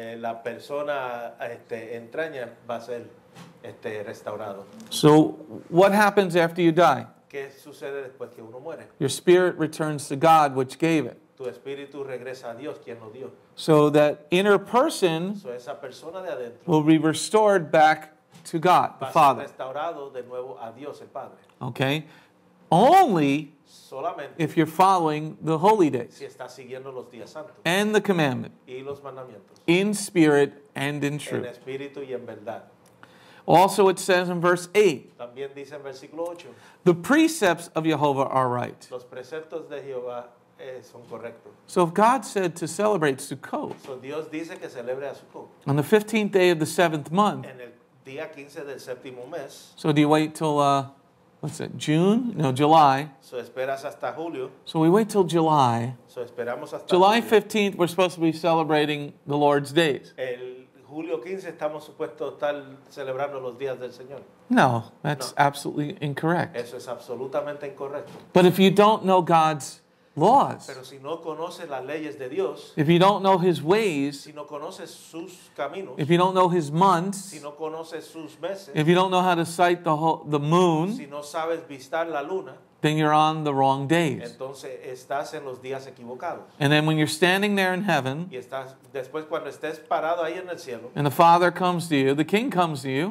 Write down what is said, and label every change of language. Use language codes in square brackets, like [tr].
[es] La persona entraña va a ser restaurado. [en] So what happens after you die? [es] ¿Qué sucede después que uno muere? [en] Your spirit returns to God, which gave it. [es] Tu espíritu regresa a Dios, quien lo dio. [en] So that inner person, [es] so esa persona de adentro, [en] will be restored back to God, the Father. [es] Va a ser restaurado de nuevo a Dios, el Padre. [en] Okay? Only [es] solamente [en] if you're following the holy days, [es] si está siguiendo los días santos, [en] and the commandment, [es] y los mandamientos, [en] in spirit and in truth. [es] En espíritu y en verdad. [en] Also, it says in verse 8, [es] también dice en versículo 8, [en] the precepts of Jehovah are right. [es] Los preceptos de Jehová son correctos. [en] So if God said to celebrate Sukkot, [es] so Dios dice que celebre a Sukkot, [en] on the 15th day of the 7th month, [es] en el día 15 del séptimo mes, [en] so do you wait till June? No, July. [es] So esperas hasta julio. [en] So we wait till July. [es] So esperamos hasta [en] July 15th, we're supposed to be celebrating the Lord's days. [es] El julio 15 estamos supuestos estar celebrando los días del Señor. [en] No, that's no. Absolutely incorrect. [es] Eso es absolutamente incorrecto. [en] But if you don't know God's laws, [es] pero si no conoces las leyes de Dios, [en] if you don't know His ways, [es] si no conoces sus caminos, [en] if you don't know His months, [es] si no conoces sus meses, [en] if you don't know how to sight the moon, [es] si no sabes vistar la luna, [en] then you're on the wrong days. [es] Entonces, estás en los días equivocados. [en] And then when you're standing there in heaven, [es] y estás, después, cuando estés parado ahí en el cielo, [en] and the Father comes to you, the King comes to you,